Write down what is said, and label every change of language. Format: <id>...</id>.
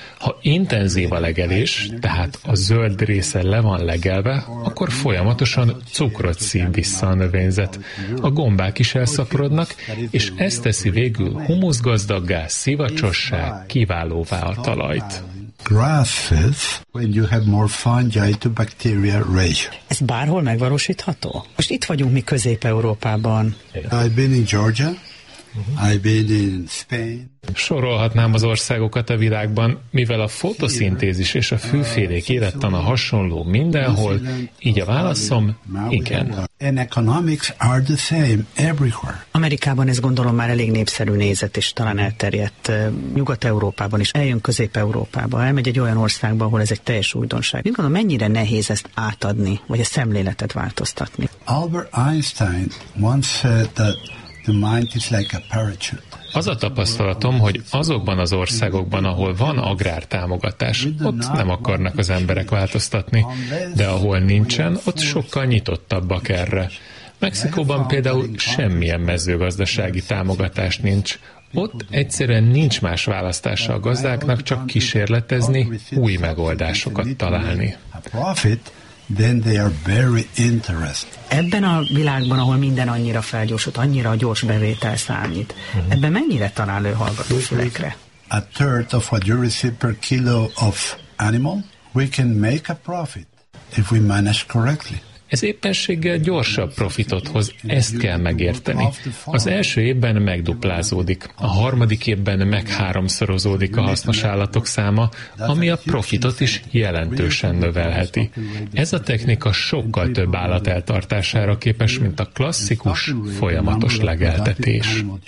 <hu>Ha intenzív a legelés, tehát a zöld része le van legelve, akkor folyamatosan cukrot szív vissza a növényzet. A gombák is elszaporodnak, és ez teszi végül humuszgazdaggá, szivacsossá, kiválóvá a talajt.</hu> <en>Grasses when you have more fungi to bacteria ratio.</en> <hu>Ez bárhol megvalósítható? Most itt vagyunk mi Közép-Európában.</hu> <en>I've been in Georgia. I've been in Spain.</en> <hu>Sorolhatnám az országokat a világban, mivel a fotoszintézis és a fűfélék élettana hasonló mindenhol, így a válaszom igen.</hu> <en>And economics are the same everywhere.</en> <hu>Amerikában ez gondolom már elég népszerű nézet, és talán elterjedt Nyugat-Európában is. Eljön Közép-Európába, elmegy egy olyan országba, ahol ez egy teljes újdonság. Mint gondolom, mennyire nehéz ezt átadni, vagy a szemléletet változtatni?</hu> <en>Albert Einstein once said that the mind is like a parachute.</en> <hu>Az a tapasztalatom, hogy azokban az országokban, ahol van agrártámogatás, ott nem akarnak az emberek változtatni, de ahol nincsen, ott sokkal nyitottabbak erre. Mexikóban például semmilyen mezőgazdasági támogatás nincs. Ott egyszerűen nincs más választása a gazdáknak, csak kísérletezni, új megoldásokat találni.</hu> <en>Then they are very interested.</en> <hu>Ebben a világban, ahol minden annyira felgyorsult, annyira a gyors bevétel számít, ebben mennyire talál ő hallgató fülekre?</hu> <en>A third of what you receive per kilo of animal, we can make a profit if we manage correctly.</en> <hu>Ez éppenséggel gyorsabb profitot hoz, ezt kell megérteni. Az első évben megduplázódik, a harmadik évben megháromszorozódik a hasznos állatok száma, ami a profitot is jelentősen növelheti. Ez a technika sokkal több állat eltartására képes, mint a klasszikus folyamatos legeltetés.</hu>